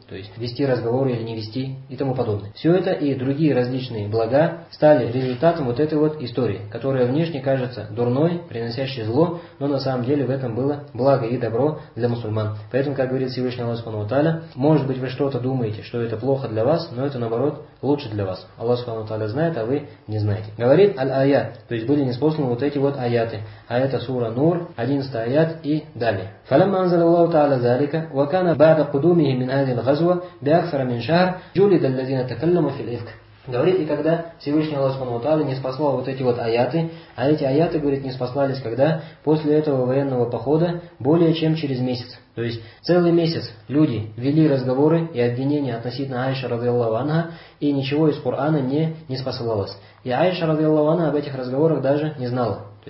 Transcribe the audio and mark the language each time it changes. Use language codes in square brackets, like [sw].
[ru] То есть вести разговоры или не вести и тому подобное. Все это и другие различные блага стали результатом вот этой вот истории, которая внешне кажется дурной, приносящей зло, но на самом деле в этом было благо и добро для мусульман. Поэтому, как говорит Всевышний Аллах Субхану ва Тааля, может быть, вы что-то думаете, что это плохо для вас, но это наоборот лучше для вас. Аллах Субхану ва Тааля знает, а вы не знаете. Говорит аль-аят, то есть были ниспосланы вот эти вот аяты. А это сура Нур, 11 аят и далее. [ar] فلما أنزل الله تعالى ذلك وكان بعد قدومه من هذه الغزوة بأكثر من شهر جلد الذين تكلموا في الإفك. [ru] Говорит, и когда Всевышний Аллах Субхану ва Тааля ниспослал вот эти вот аяты, а эти аяты, говорит, ниспослались когда? После этого военного похода более чем через месяц. То есть целый месяц люди вели разговоры и обвинения относительно Аиши радиаллаху анха, и ничего из Корана не ниспосылалось. И Аиша радиаллаху анха об этих разговорах даже не знала. То